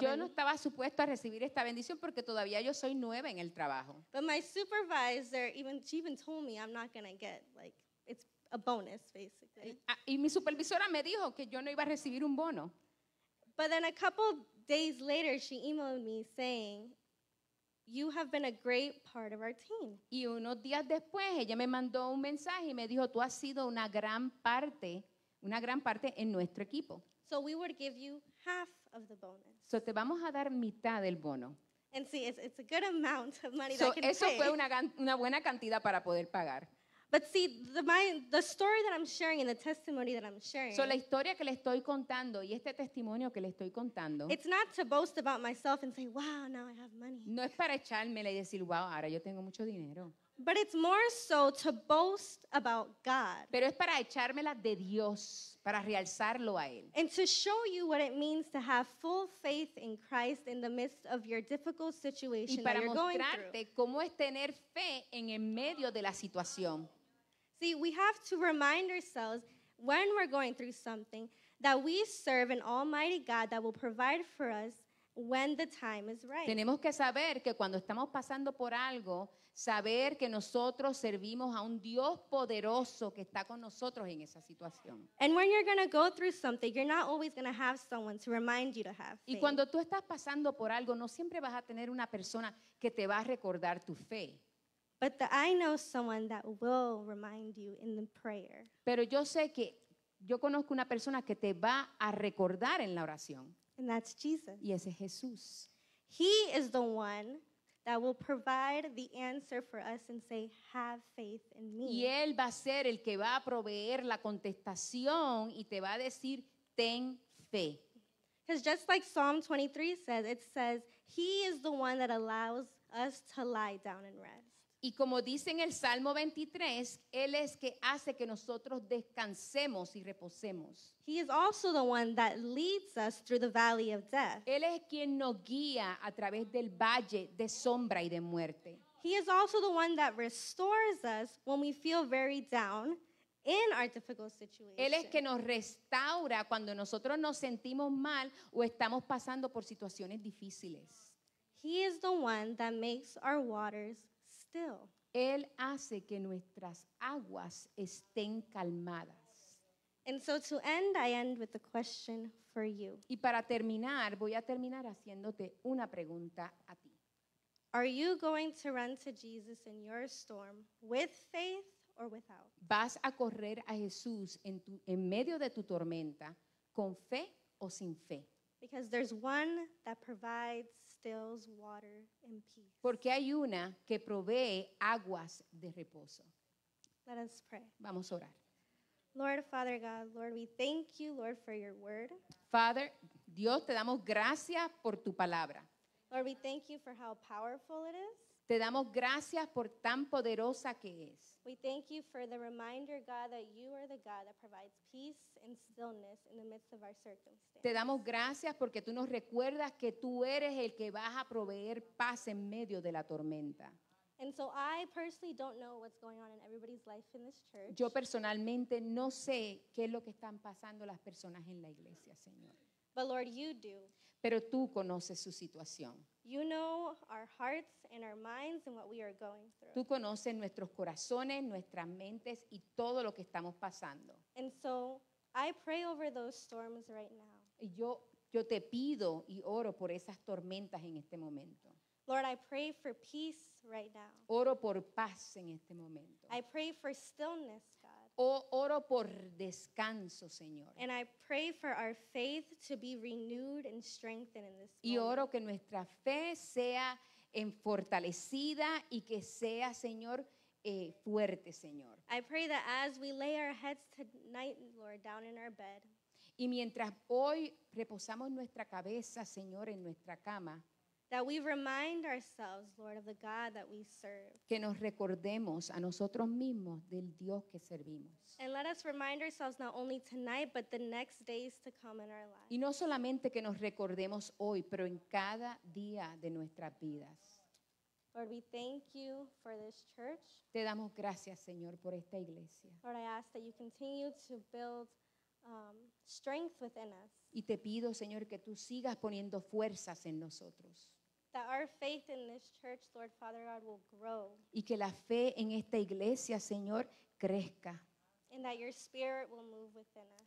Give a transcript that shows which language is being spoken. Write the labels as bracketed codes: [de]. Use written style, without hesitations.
[es] Yo no estaba supuesto a recibir esta bendición porque todavía yo soy nueva en el trabajo. [en] But my supervisor, she even told me I'm not going to get, like, it's a bonus, basically. [es] Y mi supervisora me dijo que yo no iba a recibir un bono. [en] But then a couple days later, she emailed me saying, you have been a great part of our team. [es] Y unos días después, ella me mandó un mensaje y me dijo, tú has sido una gran parte en nuestro equipo. [en] So we would give you half of the bonus. [es] So te vamos a dar mitad del bono. [en] And see, it's a good amount of money so that I can [es] eso [en] pay. [es] Fue una buena cantidad para poder pagar. [en] But see, the story that I'm sharing and the testimony that I'm sharing. [es] So la historia que le estoy contando y este testimonio que le estoy contando. [en] It's not to boast about myself and say, wow, now I have money. [es] No es para echarme y decir, wow, ahora yo tengo mucho dinero. [en] But it's more so to boast about God. [es] Pero es para echármela de Dios, para realzarlo a Él. [en] And to show you what it means to have full faith in Christ in the midst of your difficult situation that you're going through. [es] Y para mostrarte cómo es tener fe en el medio de la situación. [en] See, we have to remind ourselves when we're going through something that we serve an almighty God that will provide for us when the time is right. [es] Tenemos que saber que cuando estamos pasando por algo, saber que nosotros servimos a un Dios poderoso que está con nosotros en esa situación. [en] And when you're going to go through something, you're not always going to have someone to remind you to have faith. [es] Y cuando tú estás pasando por algo, no siempre vas a tener una persona que te va a recordar tu fe. [en] But I know someone that will remind you in the prayer. [es] Pero yo sé que yo conozco una persona que te va a recordar en la oración. [en] And that's Jesus. [es] Y ese es Jesús. [en] He is the one that will provide the answer for us and say, have faith in me. [es] Y él va a ser el que va a proveer la contestación y te va a decir, ten fe. [en] Because just like Psalm 23 says, it says, he is the one that allows us to lie down and rest. [es] Y como dice en el Salmo 23, él es que hace que nosotros descansemos y reposemos. [en] He is also the one that leads us through the valley of death. [es] Él es quien nos guía a través del valle de sombra y de muerte. [en] He is also the one that restores us when we feel very down in our difficult situation. [es] Él es que nos restaura cuando nosotros nos sentimos mal o estamos pasando por situaciones difíciles. [en] He is the one that makes our waters still. [es] Él hace que nuestras aguas estén calmadas. [en] And so to end, I end with a question for you. [es] Y para terminar, voy a terminar haciéndote una pregunta a ti. [en] Are you going to run to Jesus in your storm with faith or without? [es] ¿Vas a correr a Jesús en medio de tu tormenta con fe o sin fe? [en] Because there's one that provides, stills water in peace. [es] Porque hay una que provee aguas de reposo. [en] Let us pray. [es] Vamos a orar. [en] Lord, Father God, Lord, we thank you, Lord, for your word. [es] Father, Dios, te damos gracias por tu palabra. [en] Lord, we thank you for how powerful it is. [es] Te damos gracias por tan poderosa que es. [en] We thank you for the reminder, God, that you are the God that provides peace and stillness in the midst of our circumstances. [es] Te damos gracias porque tú nos recuerdas que tú eres el que vas a proveer paz en medio de la tormenta. [en] And so I personally don't know what's going on in everybody's life in this church. [es] Yo personalmente no sé qué es lo que están pasando las personas en la iglesia, Señor. [en] But Lord, you do. [es] Pero tú conoces su situación. [en] You know our hearts and our minds and what we are going through. [es] Tú conoces nuestros corazones, nuestras mentes y todo lo que estamos pasando. [en] And so I pray over those storms right now. [es] Yo te pido y oro por esas tormentas en este momento. [en] Lord, I pray for peace right now. [es] Oro por paz en este momento. [en] I pray for stillness, God. [es] Oro por descanso, Señor. [en] And I pray for our faith to be renewed and strengthened in this moment. [es] Y oro que nuestra fe sea fortalecida y que sea, Señor, fuerte, Señor. [en] I pray that as we lay our heads tonight, Lord, down in our bed. [es] Y mientras hoy reposamos nuestra cabeza, Señor, en nuestra cama, [en] that we remind ourselves, Lord, of the God that we serve. [es] Que nos recordemos a nosotros mismos del Dios que servimos. [en] And let us remind ourselves not only tonight, but the next days to come in our lives. [es] Y no solamente que nos recordemos hoy, pero en cada día de nuestras vidas. [en] Lord, we thank you for this church. [es] Te damos gracias, Señor, por esta iglesia. [en] Lord, I ask that you continue to build strength within us. [es] Y te pido, Señor, que tú sigas poniendo fuerzas en nosotros. [en] That our faith in this church, Lord, Father God, will grow. [es] Y que la fe en esta iglesia, Señor, crezca. [en] And that your spirit will move within us.